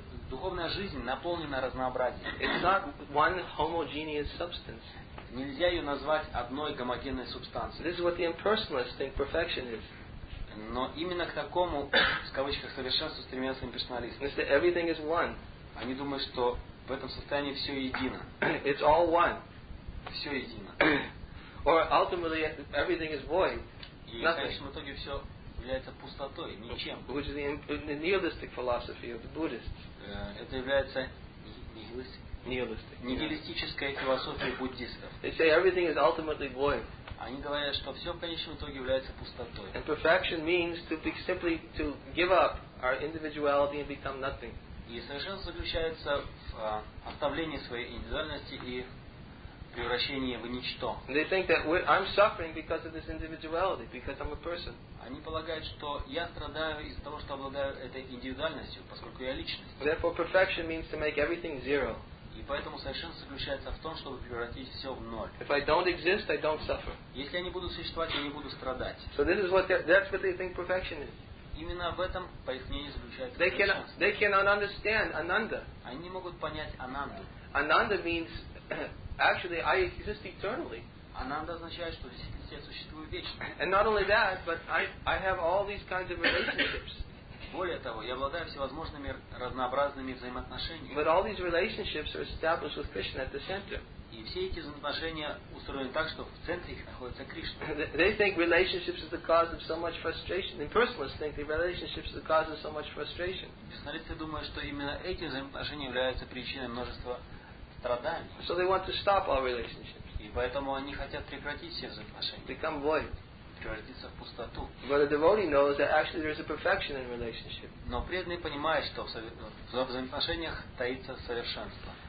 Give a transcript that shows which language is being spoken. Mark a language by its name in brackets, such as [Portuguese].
[Russian] Духовная жизнь наполнена разнообразием. [English] It's not one homogeneous substance. [Russian] Нельзя ее назвать одной гомогенной субстанцией. [English] This is what the impersonalists think perfection is. [Russian] Но именно к такому, в кавычках, совершенству стремятся имперсоналисты. [English] They say everything is one. [Russian] Они думают, что в этом состоянии все едино. [English] It's all one. [Russian] Все едино. [English] Or ultimately everything is void. [Russian] И в конечном итоге все является пустотой, ничем. [English] Which is the nihilistic philosophy of the Buddhists. [Russian] Это является нигилистической философией буддистов. [English] They say everything is ultimately void. [Russian] Они говорят, что все в конечном итоге является пустотой. [English] And perfection means to be simply to give up our individuality and become nothing. [Russian] И совершенство заключается в оставлении своей индивидуальности и превращении в ничто. [English] They think that I'm suffering because of this individuality, because I'm a person. [Russian] Они полагают, что я страдаю из-за того, что обладаю этой индивидуальностью, поскольку я личность. [English] Therefore, perfection means to make everything zero. [Russian] И поэтому совершенство заключается в том, чтобы превратить все в ноль. [English] If I don't exist, I don't suffer. [Russian] Если я не буду существовать, я не буду страдать. [English] So this is what that's what they think perfection is. [Russian] Именно в этом, по их мнению, заключается совершенство. [English] They cannot understand ananda. [Russian] Они не могут понять ананду. [English] Ananda means actually I exist eternally. [Russian] Ананда означает, что я существую вечно. [English] And not only that, but I have all these kinds of relationships. [Russian] Более того, я обладаю всевозможными разнообразными взаимоотношениями. [English] But all these relationships are established with Krishna at the center. [Russian] И все эти взаимоотношения устроены так, что в центре их находится Кришна. [English] They think relationships is the cause of so much frustration. The impersonalists think the relationships is the cause of so much frustration. [Russian] Персоналисты думают, что именно эти взаимоотношения являются причиной множества страданий. [English] So they want to stop all relationships. [Russian] И поэтому они хотят прекратить все взаимоотношения. [English] Become void. [Russian] Превратиться в пустоту. [English] But a devotee knows that actually there is a perfection in relationship. [Russian] Но преданный понимает, что в взаимоотношениях таится совершенство.